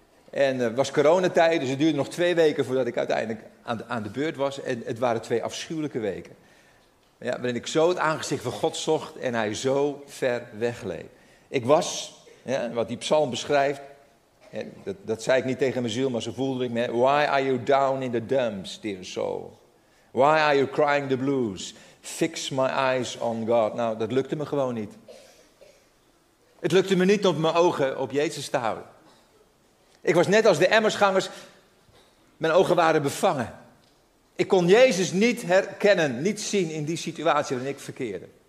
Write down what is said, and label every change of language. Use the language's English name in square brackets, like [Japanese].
[Dutch] En het was coronatijd, dus het duurde nog 2 weken voordat ik uiteindelijk aan de beurt was. En het waren 2 afschuwelijke weken. Ja, waarin ik zo het aangezicht van God zocht en hij zo ver weg leek. Ik was, ja, wat die psalm beschrijft, ja, dat zei ik niet tegen mijn ziel, maar zo voelde ik me. [English] Why are you down in the dumps, dear soul? Why are you crying the blues? Fix my eyes on God. [Dutch] Nou, dat lukte me gewoon niet. Het lukte me niet om mijn ogen op Jezus te houden. Ik was net als de emmersgangers, mijn ogen waren bevangen. Ik kon Jezus niet herkennen, niet zien in die situatie waarin ik verkeerde.